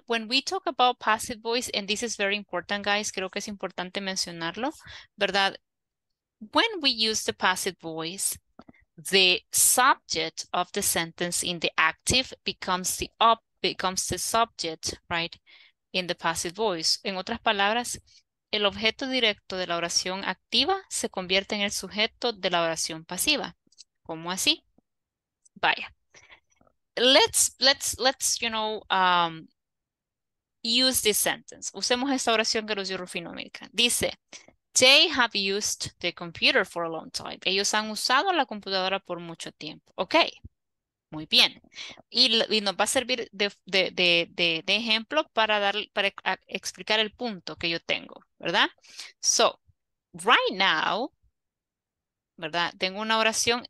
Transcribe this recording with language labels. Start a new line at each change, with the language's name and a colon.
English: When we talk about passive voice, and this is very important, guys,
Spanish: creo que es importante mencionarlo, ¿verdad?
English: When we use the passive voice, the subject of the sentence in the active becomes the subject, right? In the passive voice.
Spanish: En otras palabras, el objeto directo de la oración activa se convierte en el sujeto de la oración pasiva. ¿Cómo así? Vaya.
English: Let's you know, use this sentence.
Spanish: Usemos esta oración que nos dio Rufino América. Dice,
English: they have used the computer for a long time.
Spanish: Ellos han usado la computadora por mucho tiempo. Ok. Muy bien. Y nos va a servir de ejemplo para explicar el punto que yo tengo, ¿verdad?
English: So, right now,
Spanish: ¿verdad? Tengo una oración.